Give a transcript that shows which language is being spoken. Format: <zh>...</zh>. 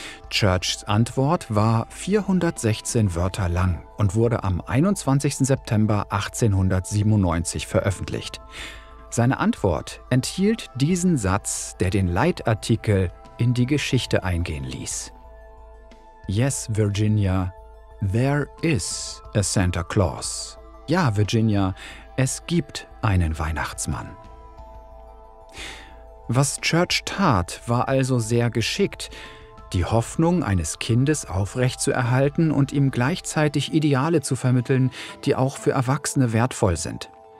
<de>Churchs Antwort war 416 Wörter lang und wurde am 21. September 1897 veröffentlicht. Seine Antwort enthielt diesen Satz, der den Leitartikel in die Geschichte eingehen ließ.</de> <en>Yes, Virginia, there is a Santa Claus.</en> <de>Ja, Virginia, es gibt einen Weihnachtsmann. Was Church tat, war also sehr geschickt. Die Hoffnung eines Kindes aufrechtzuerhalten und ihm gleichzeitig Ideale zu vermitteln, die auch für Erwachsene wertvoll sind.</de>